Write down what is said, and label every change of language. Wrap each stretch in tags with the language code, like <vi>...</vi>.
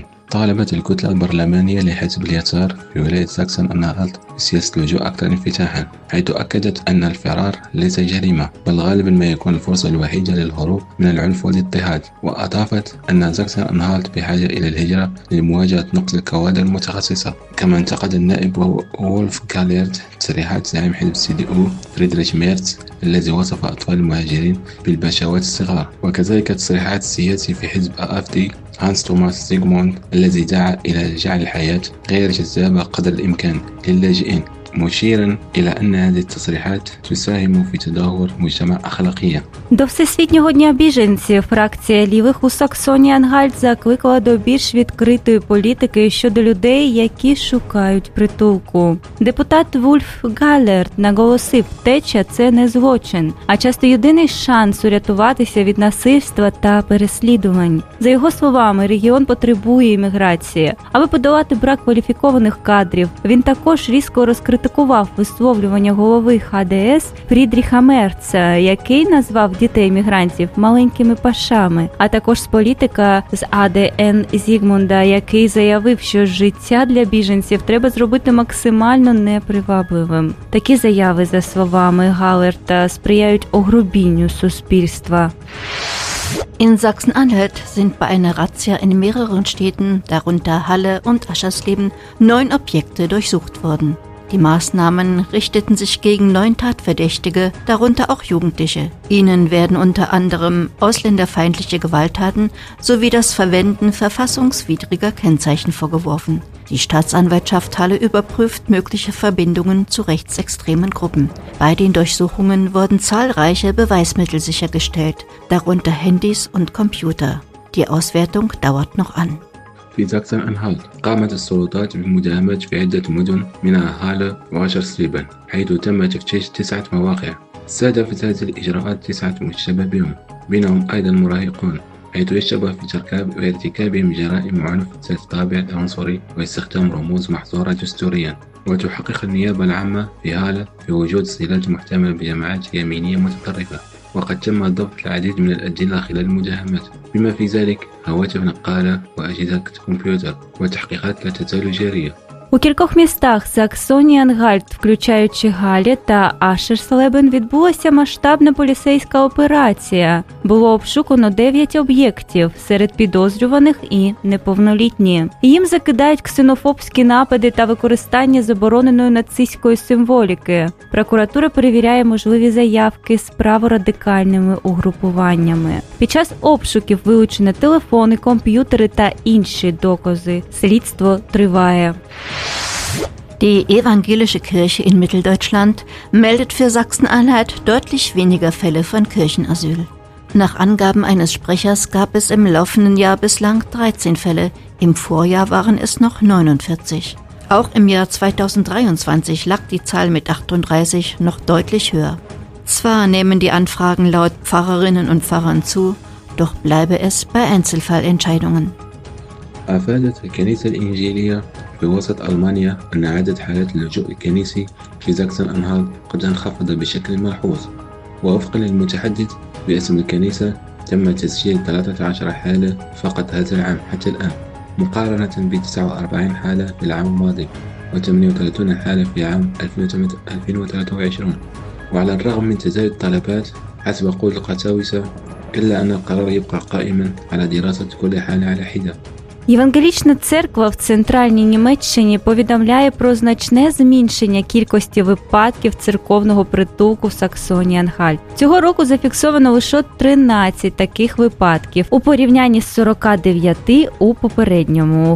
<ar>طالبة الكتلة البرلمانية لحزب اليسار في ولاية ساكسن-أنهالت بسياسة اللجوء أكثر انفتاحا حيث أكدت أن الفرار ليس جريمة بل غالبا ما يكون الفرصة الوحيدة للهروب من العنف والاضطهاد وأضافت أن ساكسن-أنهالت بحاجة إلى الهجرة لمواجهة نقص الكوادر المتخصصة كما انتقد النائب وولف كاليرت تصريحات زعيم حزب CDU فريدريش ميرتز الذي وصف أطفال المهاجرين بالبشوات الصغار وكذلك تصريحات السياسي في حزب AfD هانس توماس زيغموند الذي دعا إلى جعل الحياة غير جذابة قدر الإمكان للاجئين مشيرا إلى أن هذه التصريحات تساهم في تدهور مجتمع أخلاقية.</ar> <uk>До Всесвітнього дня біженців фракція лівих у Саксонії-Анхальт закликала до більш відкритої політики щодо людей, які шукають притулку. Депутат Вульф Галлерт наголосив, втеча – це не злочин, а часто єдиний шанс урятуватися від насильства та переслідувань. За його словами, регіон потребує імміграції. Аби подолати брак кваліфікованих кадрів, він також різко розкритикував висловлювання голови ХДС Фрідріха Мерца, який назвав дітей мігрантів маленькими пашами, а також з політика з АДН Зігмунда, який заявив, що життя для біженців треба зробити максимально непривабливим. Такі заяви, за словами Галлерта, сприяють огрубінню суспільства.</uk> <de>In Sachsen-Anhalt sind bei einer Razzia in mehreren Städten, darunter Halle und Aschersleben, 9 Objekte durchsucht worden. Die Maßnahmen richteten sich gegen 9 Tatverdächtige, darunter auch Jugendliche. Ihnen werden unter anderem ausländerfeindliche Gewalttaten sowie das Verwenden verfassungswidriger Kennzeichen vorgeworfen. Die Staatsanwaltschaft Halle überprüft mögliche Verbindungen zu rechtsextremen Gruppen. Bei den Durchsuchungen wurden zahlreiche Beweismittel sichergestellt, darunter Handys und Computer. Die Auswertung dauert noch an.</de> <ar>في ساكسن-أنهالت قامت السلطات بمداهمات في عدة مدن من هالة وأشرسليبن حيث تم تفتيش 9 مواقع استهدفت هذه الإجراءات 9 متشابهين بينهم أيضا مراهقون حيث يشتبه في تركاب وارتكابهم جرائم عنف ذات طابع عنصري واستخدام رموز محظورة دستوريا وتحقق النيابة العامة في هالة في وجود صلات محتملة بجماعات يمينية متطرفة وقد تم ضبط العديد من الأدلة خلال المداهمات بما في ذلك هواتف نقالة وأجهزة كمبيوتر وتحقيقات لا تزال جارية</ar> <uk>У кількох містах Саксонії-Анхальт, включаючи Галі та Ашерслебен, відбулася масштабна поліцейська операція. Було обшукано 9 об'єктів, серед підозрюваних і неповнолітні. Їм закидають ксенофобські напади та використання забороненої нацистської символіки. Прокуратура перевіряє можливі заявки з праворадикальними угрупуваннями. Під час обшуків вилучені телефони, комп'ютери та інші докази. Слідство триває.</uk> <de>Die evangelische Kirche in Mitteldeutschland meldet für Sachsen-Anhalt deutlich weniger Fälle von Kirchenasyl. Nach Angaben eines Sprechers gab es im laufenden Jahr bislang 13 Fälle, im Vorjahr waren es noch 49. Auch im Jahr 2023 lag die Zahl mit 38 noch deutlich höher. Zwar nehmen die Anfragen laut Pfarrerinnen und Pfarrern zu, doch bleibe es bei Einzelfallentscheidungen.</de> <ar>أفادت الكنيسة الإنجيلية في وسط ألمانيا أن عدد حالات اللجوء الكنيسي في ساكسن أنهالت قد انخفض بشكل ملحوظ. ووفقا للمتحدث باسم الكنيسة، تم تسجيل 13 حالة فقط هذا العام حتى الآن، مقارنة ب 49 حالة في العام الماضي و 38 حالة في عام 2023. وعلى الرغم من تزايد الطلبات حسب قول القساوسة، إلا أن القرار يبقى قائما على دراسة كل حالة على حدة.</ar> <uk>Євангелічна церква в Центральній Німеччині повідомляє про значне зменшення кількості випадків церковного притулку в Саксонії-Анхальт. Цього року зафіксовано лише 13 таких випадків у порівнянні з 49 у попередньому.</uk>